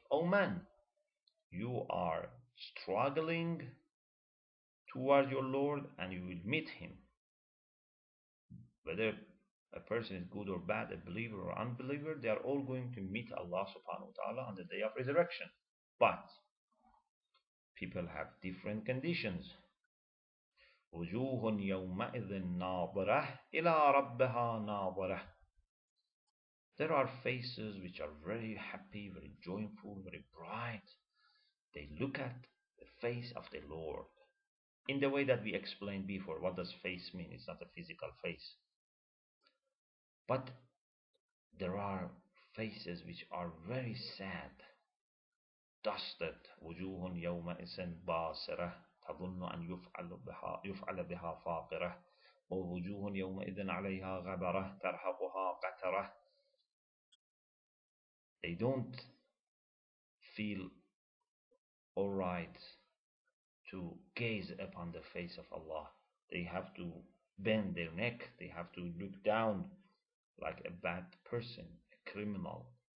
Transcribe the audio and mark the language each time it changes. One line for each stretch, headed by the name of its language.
English: O man, you are struggling towards your Lord and you will meet Him. Whether a person is good or bad, a believer or unbeliever, they are all going to meet Allah subhanahu wa ta'ala on the day of resurrection. But people have different conditions.
Arabic: وجوه يومئذ ناظرة إلى ربها ناظرة.
English: There are faces which are very happy, very joyful, very bright. They look at the face of the Lord. In the way that we explained before, what does face mean? It's not a physical face. But there are faces which are very sad. Dusted.
Arabic: وجوه يومئذ باسرة. تظن أن يفعل بها فاقرة ووجوه يومئذ عليها غبرة ترهقها قترة.
English: They don't feel alright to gaze upon the face of Allah. They have to bend their neck. They have to look down like a bad person, a criminal.